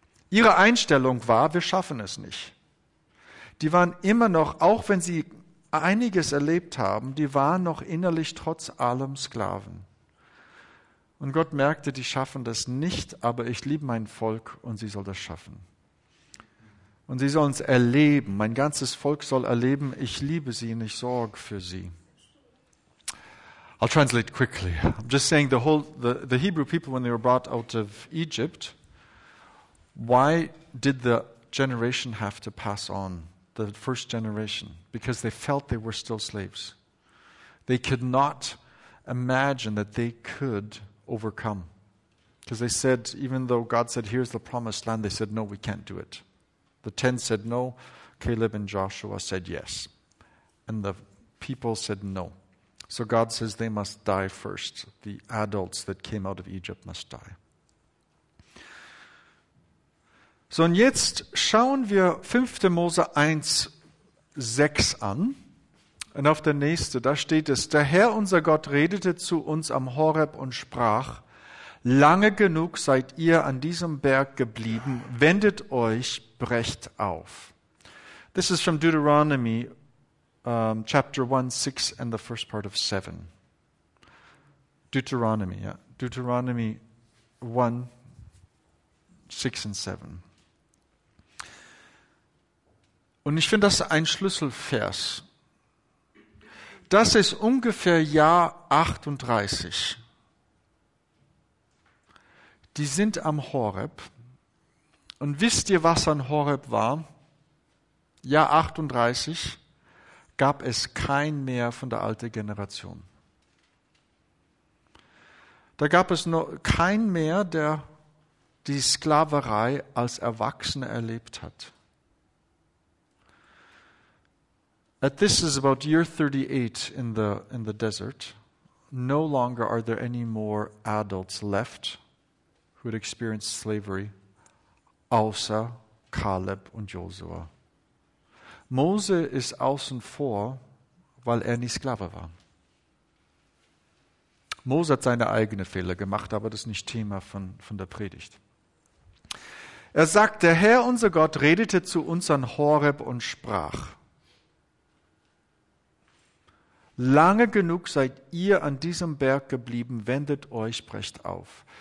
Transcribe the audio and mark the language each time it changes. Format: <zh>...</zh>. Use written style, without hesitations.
<de>Ihre Einstellung war, wir schaffen es nicht. Die waren immer noch, auch wenn sie einiges erlebt haben, die waren noch innerlich trotz allem Sklaven. Und Gott merkte, die schaffen das nicht, aber ich liebe mein Volk und sie soll das schaffen. Und sie sollen es erleben, mein ganzes Volk soll erleben, ich liebe sie und ich sorge für sie.</de> <en>I'll translate quickly. I'm just saying the Hebrew people, when they were brought out of Egypt, why did the generation have to pass on? The first generation, because they felt they were still slaves. They could not imagine that they could overcome. Because they said, even though God said, here's the promised land, they said, no, we can't do it. The 10 said no, Caleb and Joshua said yes. And the people said no. So God says they must die first. The adults that came out of Egypt must die.</en> <de>So, und jetzt schauen wir 5. Mose 1, 6 an. Und auf der nächste, da steht es, der Herr, unser Gott, redete zu uns am Horeb und sprach, lange genug seid ihr an diesem Berg geblieben, wendet euch, brecht auf.</de> <en>This is from Deuteronomy, chapter 1, 6 and the first part of 7. Deuteronomy, yeah. Deuteronomy 1, 6 and 7.</en> <de>Und ich finde, das ist ein Schlüsselvers. Das ist ungefähr Jahr 38. Die sind am Horeb. Und wisst ihr, was an Horeb war? Jahr 38 gab es kein Meer von der alten Generation. Da gab es noch kein Meer, der die Sklaverei als Erwachsene erlebt hat.</de> <en>At this is about year 38 in the desert. No longer are there any more adults left who had experienced slavery,</en> <de>außer Caleb und Joshua. Mose ist außen vor, weil er nicht Sklave war. Mose hat seine eigene Fehler gemacht, aber das ist nicht Thema von der Predigt. Er sagt, der Herr, unser Gott, redete zu uns an Horeb und sprach: Lange genug seid ihr an diesem Berg geblieben, wendet euch, brecht auf.</de>